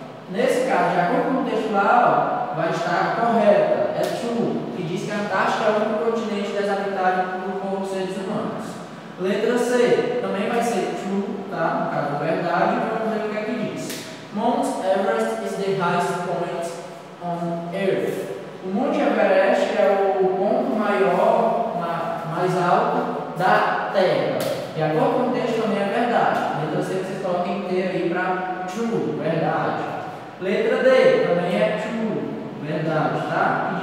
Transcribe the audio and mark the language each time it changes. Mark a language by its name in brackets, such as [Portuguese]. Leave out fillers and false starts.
[Portuguese] Nesse caso, de acordo com o texto lá, ó, vai estar correta. É true, que diz que a Antártica é o único continente desabitado por seres humanos. Letra C, também vai ser true, tá? No caso, verdade, vamos ver o que é que diz. [English] Mount Everest is the highest point on Earth. [Portuguese] O Monte Everest é o ponto maior, mais alto da Terra. De acordo com o texto, também é verdade. Letra C, vocês coloquem T aí para true, verdade. Letra D, também é true, verdade, tá?